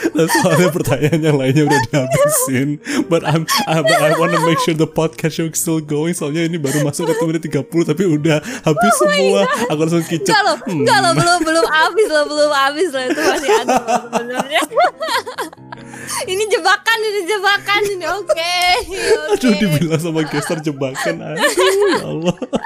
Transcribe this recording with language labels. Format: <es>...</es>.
<id>Nah, soalnya pertanyaan yang lainnya udah dihabisin.</id> <en>But I want to make sure the podcast show is still going.</en> <id>Soalnya ini baru masuk ke 30 tapi udah habis semua. God. Aku langsung kicap. Enggak loh, belum habis loh. Itu masih ada sebenarnya. Ini jebakan ini. Okay. Aduh, dibilang sama gestar jebakan. Aduh, Allah.</id>